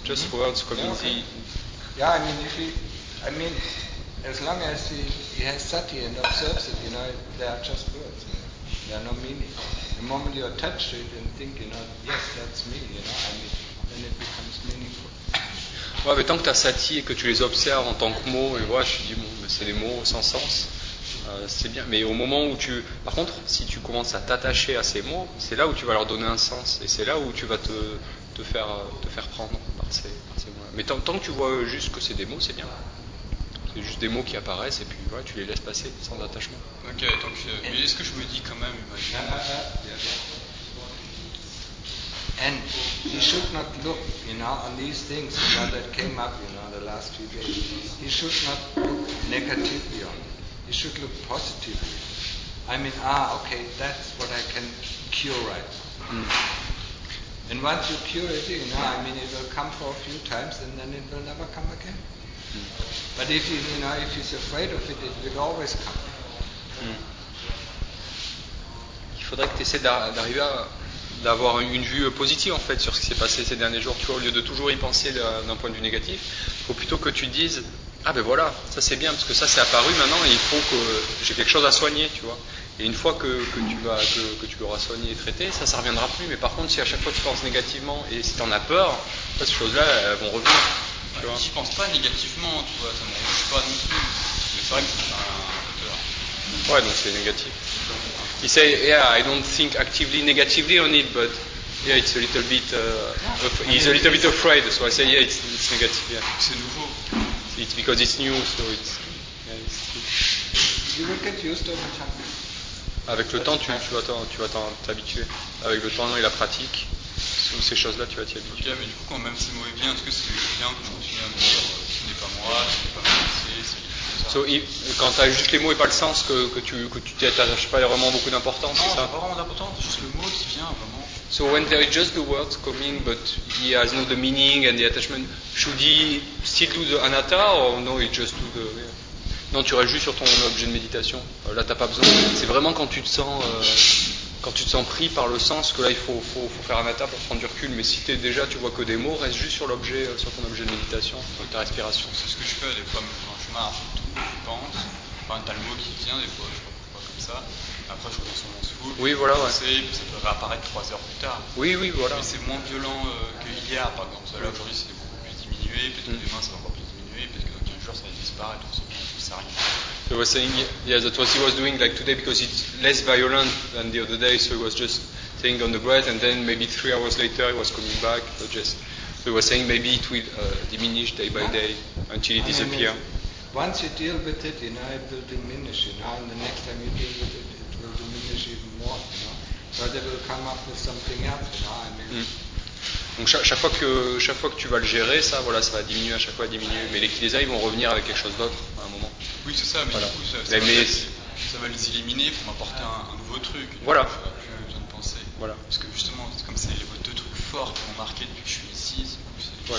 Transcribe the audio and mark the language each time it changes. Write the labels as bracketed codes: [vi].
[en] Just words coming in. Yeah, I mean, as long as he has sati and observes it, you know, they are just words. You know, they are no meaning. The moment you attach to it and think, you know, yes, that's me, you know, I mean, then it becomes meaningful. [fr] Ouais, mais tant que tu as sati et que tu les observes en tant que mots, et voilà, je dis, bon, mais c'est des mots sans sens. C'est bien, mais au moment où tu. Par contre, si tu commences à t'attacher à ces mots, c'est là où tu vas leur donner un sens et c'est là où tu vas te faire prendre par ces mots-là. Mais tant que tu vois juste que c'est des mots, c'est bien. C'est juste des mots qui apparaissent et puis voilà, tu les laisses passer sans attachement. Ok, tant que. Mais est-ce que je me dis quand même. [en] And he should not look, you know, on these things, you know, that came up, you know, the last few days. He should not look negatively on it. You should look positively. I mean, okay, that's what I can cure right now. And once you cure it, you know, I mean, it will come for a few times and then it will never come again. But if you, you know, if he's afraid of it, it will always come. [fr] Il faudrait que tu essaies d'avoir une vue positive, en fait, sur ce qui s'est passé ces derniers jours. Tu vois, au lieu de toujours y penser d'un point de vue négatif, il faut plutôt que tu dises. Ah ben voilà, ça c'est bien parce que ça c'est apparu maintenant et il faut que j'ai quelque chose à soigner, tu vois. Et une fois que tu l'auras soigné et traité, ça reviendra plus. Mais par contre, si à chaque fois tu penses négativement et si t'en as peur, ça, ces choses-là elles vont revenir. Tu vois. J'y pense pas négativement, tu vois, ça ne me rouge pas non plus. Mais c'est vrai que c'est un peu peur. Ouais, donc c'est négatif. [en] Il say, yeah, I don't think actively negatively on it, but yeah, it's a little bit. He's a little bit afraid, so I say, yeah, it's negative, yeah. [fr] C'est nouveau. [en] It's because it's new, so it's. Yeah, it's you will get used to it. [fr] Avec le temps, tu vas t'habituer. Avec le temps et la pratique, sous ces choses-là, tu vas t'y habituer. Ok, mais du coup, quand même, ces mots est bien, est-ce que c'est bien que je continue à me dire ce n'est pas moi, ce n'est pas moi, c'est. So, quand tu as juste les mots et pas le sens, que tu t'attaches pas vraiment beaucoup d'importance, non, c'est ça? Non, pas vraiment d'importance, c'est juste le mot qui vient vraiment. [en] So when there is just the words coming, but he has not the meaning and the attachment, should he still do the anatta or no? He just do the. Yeah. [fr] Non, tu restes juste sur ton objet de méditation. Là, t'as pas besoin. C'est vraiment quand tu te sens pris par le sens que là, il faut faire anatta pour prendre du recul. Mais si t'es déjà, tu vois que des mots, reste juste sur l'objet, sur ton objet de méditation, sur ta respiration. C'est ce que je fais des fois. Quand je marche, tout, je pense. Enfin, t'as le mot qui vient des fois. Je vois comme ça. Après, je pense au monde fou. Oui, voilà. Ça peut réapparaître 3 heures plus tard. Oui, oui, voilà. Mais c'est moins violent que hier, par exemple. Là, aujourd'hui, c'est beaucoup plus diminué. Peut-être que demain, ça va encore plus diminuer. Peut-être que dans 15 jours, ça va disparaître. [en] He was saying that what he was doing like today because it's less violent than the other day, so he was just staying on the breath, and then maybe 3 hours later he was coming back. But just he was saying maybe it will diminish day by day until it disappears. Once you deal with it, you know, it will diminish. You know, and the next time you deal with it, it will diminish even more. You know, so they will come up with something else. You know, I mean. [fr] Donc chaque fois que tu vas le gérer, ça, voilà, ça va diminuer à chaque fois, diminuer. Mais les kilesas, ils vont revenir avec quelque chose d'autre à un moment. Oui, c'est ça. Mais voilà. Du coup, ça va les éliminer, il faut m'apporter un nouveau truc. Voilà. Je viens de penser. Voilà. Parce que justement, comme c'est les deux trucs forts qui m'ont marqué depuis que je suis ici, du coup, c'est